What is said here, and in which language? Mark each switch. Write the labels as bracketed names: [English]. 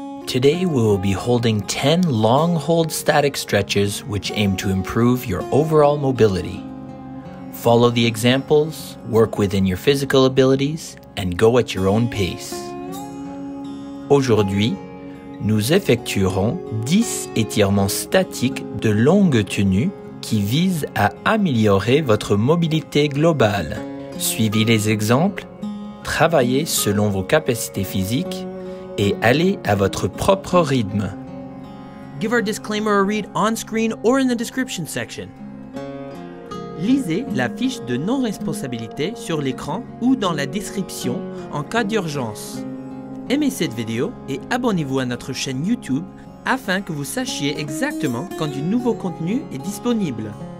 [English] Today we will be holding 10 long hold static stretches which aim to improve your overall mobility. Follow the examples, work within your physical abilities, and go at your own pace. [French] Aujourd'hui, nous effectuerons 10 étirements statiques de longue tenue qui visent à améliorer votre mobilité globale. Suivez les exemples, travaillez selon vos capacités physiques et allez à votre propre rythme. [English] Give our disclaimer a read on screen or in the description section. [French] Lisez la fiche de non-responsabilité sur l'écran ou dans la description en cas d'urgence. Aimez cette vidéo et abonnez-vous à notre chaîne YouTube afin que vous sachiez exactement quand du nouveau contenu est disponible.